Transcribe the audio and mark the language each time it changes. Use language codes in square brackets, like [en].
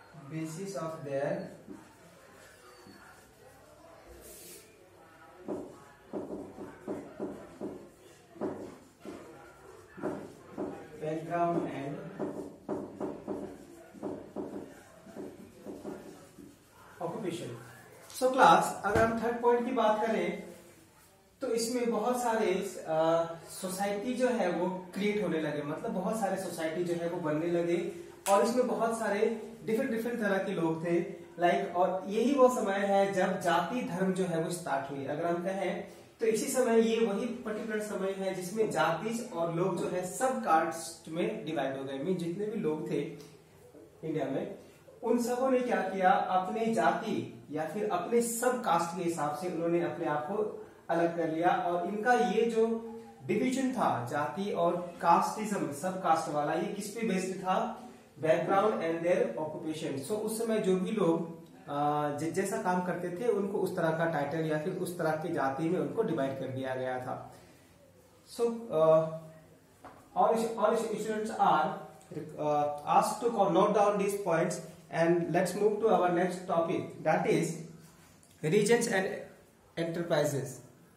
[en] basis of their background and occupation। So class, [hi] अगर हम third point की बात करें तो इसमें बहुत सारे सोसाइटी जो है वो क्रिएट होने लगे, मतलब बहुत सारे सोसाइटी जो है वो बनने लगे और इसमें बहुत सारे डिफरेंट तरह के लोग थे लाइक, और यही वो समय है जब जाति धर्म जो है वो स्टार्ट हुई। अगर हम कहें तो इसी समय ये वही पर्टिकुलर समय है जिसमें जाति और लोग जो है सब कास्ट में डिवाइड हो गए, मीन जितने भी लोग थे इंडिया में उन सबों ने क्या किया, अपने जाति या फिर अपने सब कास्ट के हिसाब से उन्होंने अपने आप को अलग कर लिया और इनका ये जो डिवीजन था जाति और कास्टिज्म सब कास्ट वाला, ये किस पे बेस्ड था, [en] Background and their occupation. [hi] सो उस समय जो भी लोग जैसा काम करते थे उनको उस तरह का टाइटल या फिर उस तरह की जाति में उनको डिवाइड कर दिया गया था। [en] So all students are asked to note down these points and let's move to our next topic, that is regions and enterprises।